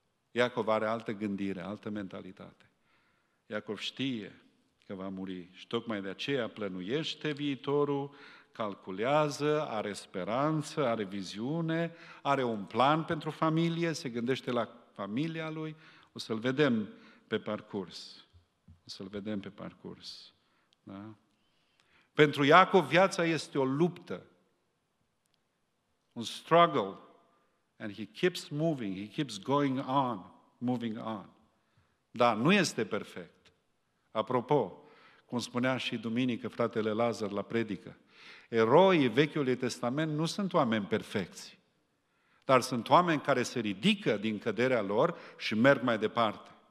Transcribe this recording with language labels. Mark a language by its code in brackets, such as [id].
[ro] Iacov are altă gândire, altă mentalitate. Iacov știe că va muri și tocmai de aceea plănuiește viitorul, calculează, are speranță, are viziune, are un plan pentru familie, se gândește la familia lui. O să-l vedem pe parcurs. O să-l vedem pe parcurs. Da? Pentru Iacov viața este o luptă. Un struggle. [en] And he keeps moving, he keeps going on, moving on. [ro] Da, nu este perfect. Apropo, cum spunea și duminică fratele Lazar la predică, eroii Vechiului Testament nu sunt oameni perfecți, dar sunt oameni care se ridică din căderea lor și merg mai departe.